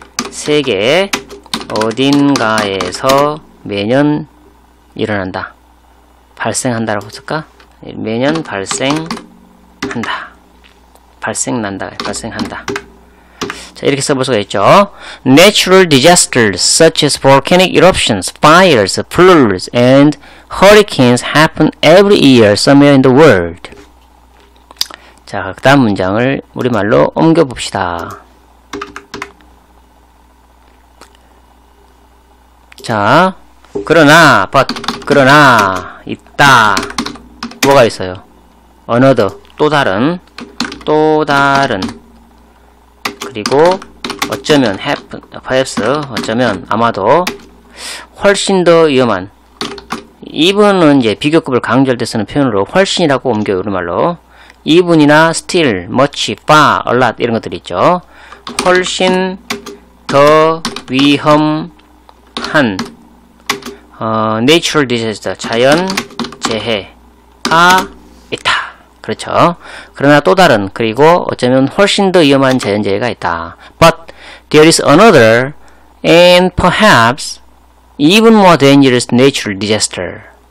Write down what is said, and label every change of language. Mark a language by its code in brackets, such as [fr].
[ko] 세계 어딘가에서 매년 일어난다, 발생한다라고 쓸까? 매년 발생한다, 발생난다, 발생한다. 자, 이렇게 써볼 수가 있죠. [en] Natural disasters such as volcanic eruptions, fires, floods, and hurricanes happen every year somewhere in the world. [ko] 자, 그 다음 문장을 우리말로 옮겨봅시다. 자, 그러나, but, 그러나, 있다. 뭐가 있어요? Another, 또 다른, 또 다른. 그리고 어쩌면, happen, perhaps, 어쩌면, 아마도 훨씬 더 위험한. 이분은 이제 비교급을 강조할때 쓰는 표현으로 훨씬이라고 옮겨요, 우리말로. even이나 still, much, far, a lot 이런 것들이 있죠. 훨씬 더 위험한 natural disaster, 자연재해가 있다. 그렇죠. 그러나 또 다른, 그리고 어쩌면 훨씬 더 위험한 자연재해가 있다. [en] But there is another and perhaps even more dangerous natural disaster.